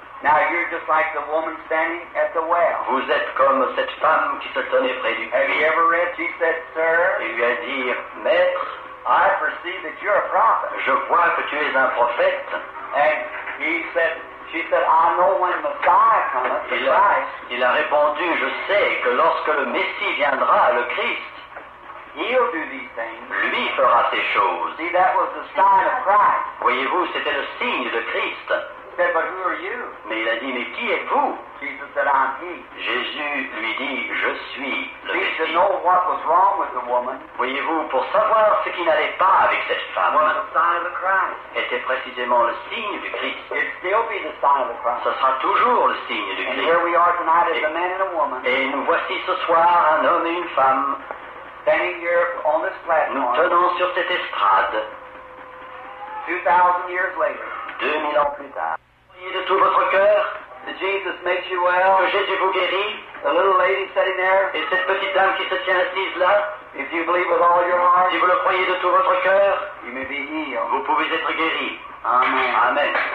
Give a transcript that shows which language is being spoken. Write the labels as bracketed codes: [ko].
[en] Now you're just like the woman standing at the well. [fr] Vous êtes comme cette femme qui se tenait près du puits. [en] Have you ever read? She said, "Sir." [fr] Il lui a dit, maître. [en] I perceive that you're a prophet. [fr] Je vois que tu es un prophète. [en] And he said, she said, "I know when Messiah comes, the Christ." [fr] Il a répondu, je sais que lorsque le Messie viendra, le Christ. [en] He'll do these things. [fr] Lui fera ces choses. [en] See, that was the sign of Christ. [fr] Voyez-vous, c'était le signe de Christ. [en] He said, "But who are you?" [fr] Mais il a dit, mais qui êtes-vous? [en] Jesus said, "I'm he." [fr] Jésus lui dit, je suis le Christ. [en] To know what was wrong with the woman, [fr] voyez-vous, pour savoir ce qui n'allait pas avec cette femme, [en] was the sign of the Christ. [fr] Était précisément le signe du Christ. [en] It'll still be the sign of the Christ. [fr] Ce sera toujours le signe du Christ. [en] And here we are tonight as a man and a woman. [fr] Et nous voici ce soir, un homme et une femme, [en] standing here on this platform, [fr] nous tenons sur cette estrade, [en] 2,000 years later, [fr] 2000 ans plus tard. Priez de tout votre cœur, [en] that Jesus makes you well, [fr] que Jésus vous guérit, [en] the little lady sitting there, [fr] et cette petite dame qui se tient assise là, [en] if you believe with all your heart, [fr] si vous le croyez de tout votre cœur, [en] you may be healed, [fr] vous pouvez être guéri. Amen. Amen.